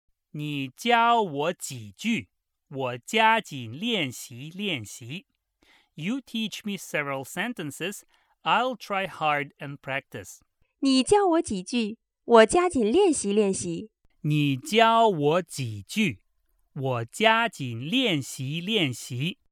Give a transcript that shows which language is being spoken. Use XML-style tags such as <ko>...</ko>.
<zh>你教我几句,我加紧练习练习。</zh> <en>You teach me several sentences, I'll try hard and practice.</en> <zh>你教我几句。我加紧练习练习。你教我几句，我加紧练习练习。</zh>